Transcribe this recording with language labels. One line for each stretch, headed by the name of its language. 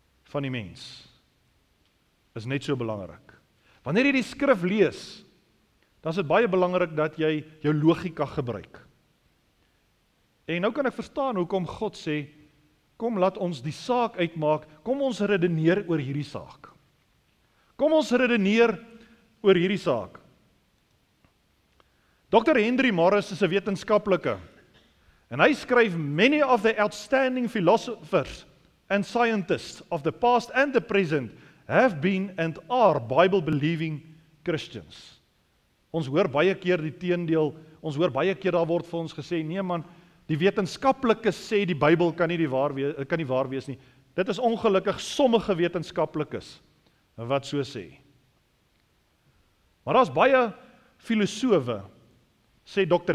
Afrikaans: van die mens is net so belangrik, wanneer jy die skrif lees, dan is dit baie belangrik dat jy jou logika gebruik, en nou kan ek verstaan hoekom God sê, kom laat ons die saak uitmaak, kom ons redeneer oor hierdie saak. Kom ons redeneer oor hierdie saak. Dr. Henry Morris is 'n wetenskaplike, en hy skryf,
English: many of the outstanding philosophers and scientists of the past and the present have been and are Bible-believing Christians.
Afrikaans: Ons hoor baie keer die teendeel, ons hoor baie keer daar word vir ons gesê, nee man, die wetenskaplikes sê die Bybel kan nie waar wees nie. Dit is ongelukkig sommige wetenskaplikes wat so sê. Maar daar is baie filosowe, sê Dr.